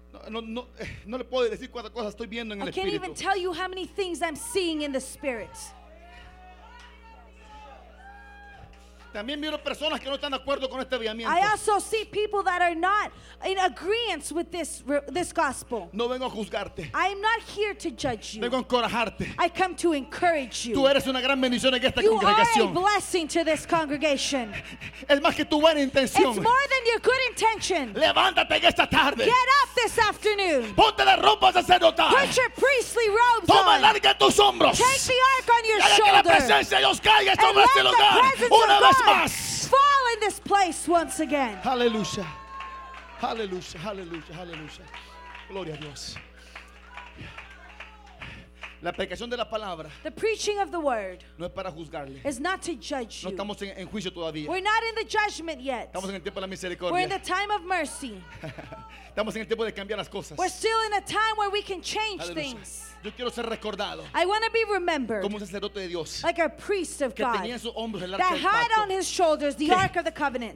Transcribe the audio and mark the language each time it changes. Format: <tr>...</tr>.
<es>No le puedo decir cuántas cosas estoy viendo en el espíritu.</es> <en>I can't even tell you how many things I'm seeing in the spirit.</en> <es>También miro personas que no están de acuerdo con este avivamiento.</es> <en>I also see people that are not in agreement with this gospel.</en> <es>No vengo a juzgarte.</es> <en>I'm not here to judge you.</en> <es>Vengo a encorajarte.</es> <en>I come to encourage you.</en> <es>Tú eres una gran bendición en esta congregación.</es> <en>You are a blessing to this congregation.</en> <es>Es más que tu buena intención.</es> <en>It's more than your good intention.</en> <es>Levántate en esta tarde.</es> <en>Get up this afternoon.</en> <es>Ponte las ropas sacerdotales.</es> <en>Put your priestly robes</en> <es>Toma</es> <en>on.</en> <es>Toma el arca en tus hombros.</es> <en>Take the ark on your shoulder.</en> <es>Y que la presencia de Dios caiga sobre este lugar. Una vez</es> <en>Fall in this place once again.</en> <es>Hallelujah. Hallelujah. Hallelujah. Hallelujah. Gloria a Dios. La aplicación de la palabra.</es> <en>The preaching of the word.</en> <es>No es para juzgarle.</es> <en>Is not to judge you.</en> <es>No estamos en juicio todavía.</es> <en>We're not in the judgment yet.</en> <es>Estamos en el tiempo de la misericordia.</es> <en>We're in the time of mercy.</en> <es>Estamos en el tiempo de cambiar las cosas.</es> <en>We're still in a time where we can change things.</en> <es>Yo quiero ser recordado.</es> <en>I want to be remembered.</en> <es>Como un sacerdote de Dios.</es> <en>Like a priest of God.</en> <es>Que tenía en sus hombros el arca del pacto.</es> <en>That had on his shoulders the ark of the covenant.</en>